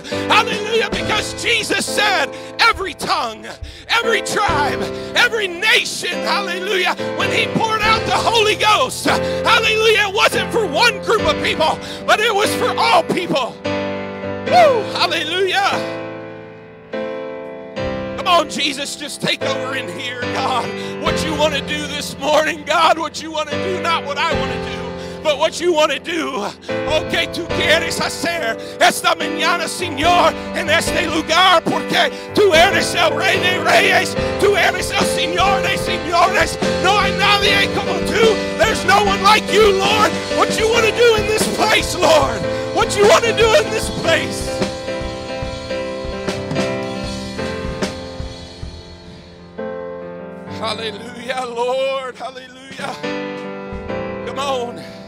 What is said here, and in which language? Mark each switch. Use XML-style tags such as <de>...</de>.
<en>Hallelujah, because Jesus said every tongue, every tribe, every nation, hallelujah, when he poured out the Holy Ghost, hallelujah, it wasn't for one group of people, but it was for all people. Woo, hallelujah. Come on, Jesus, just take over in here, God. What you want to do this morning, God, what you want to do, not what I want to do, but what you want to do.</en> <es>Okay, tú quieres hacer esta mañana, Señor, en este lugar, porque tú eres el rey de reyes, tú eres el señor de señores. No hay nadie como tú.</es> <en>There's no one like you, Lord. What you want to do in this place, Lord? What you want to do in this place? Hallelujah, Lord. Hallelujah. Come on.</en>